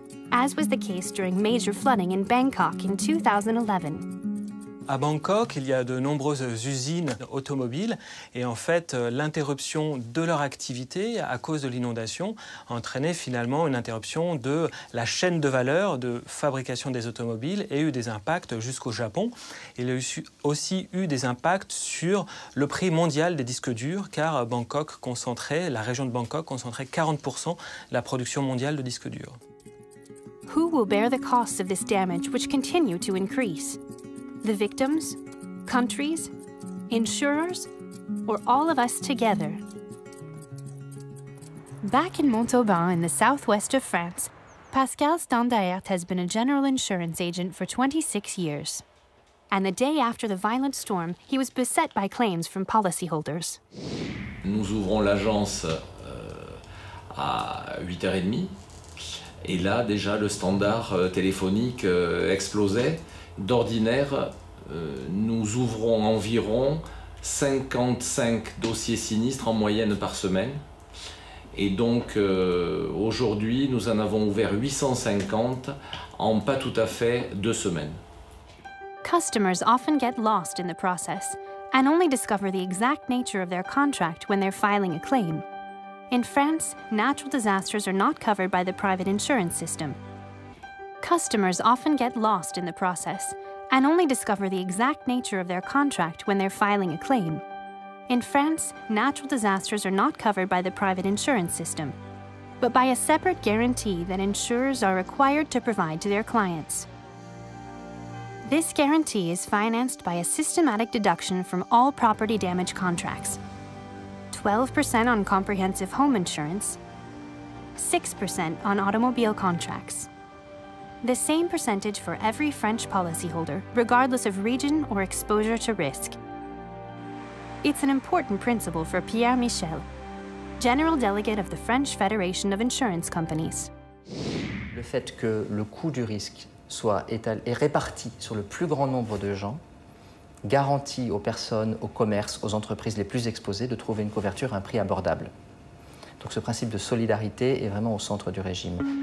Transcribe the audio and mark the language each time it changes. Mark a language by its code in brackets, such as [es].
[en] As was the case during major flooding in Bangkok in 2011. [fr] À Bangkok, il y a de nombreuses usines automobiles et en fait, l'interruption de leur activité à cause de l'inondation a entraîné finalement une interruption de la chaîne de valeur de fabrication des automobiles et a eu des impacts jusqu'au Japon. Il y a aussi eu des impacts sur le prix mondial des disques durs car Bangkok concentrait, la région de Bangkok concentrait 40% de la production mondiale de disques durs. [en] Who will bear the costs of this damage which continue to increase? The victims, countries, insurers, or all of us together? Back in Montauban in the southwest of France, Pascal Standaert has been a general insurance agent for 26 years. And the day after the violent storm, he was beset by claims from policyholders. [fr] Nous ouvrons l'agence à 8h30. Et là, déjà, le standard téléphonique explosait. D'ordinaire, nous ouvrons environ 55 dossiers sinistres en moyenne par semaine. Et donc, aujourd'hui, nous en avons ouvert 850 en pas tout à fait deux semaines. [en] Customers often get lost in the process and only discover the exact nature of their contract when they're filing a claim. In France, natural disasters are not covered by the private insurance system. Customers often get lost in the process and only discover the exact nature of their contract when they're filing a claim. In France, natural disasters are not covered by the private insurance system, but by a separate guarantee that insurers are required to provide to their clients. This guarantee is financed by a systematic deduction from all property damage contracts. 12% on comprehensive home insurance, 6% on automobile contracts. The same percentage for every French policyholder, regardless of region or exposure to risk. It's an important principle for Pierre Michel, General Delegate of the French Federation of Insurance Companies. [fr] Le fait que le coût du risque soit étalé et réparti sur le plus grand nombre de gens garantit aux personnes, aux commerces, aux entreprises les plus exposées de trouver une couverture à un prix abordable. Donc ce principe de solidarité est vraiment au centre du régime.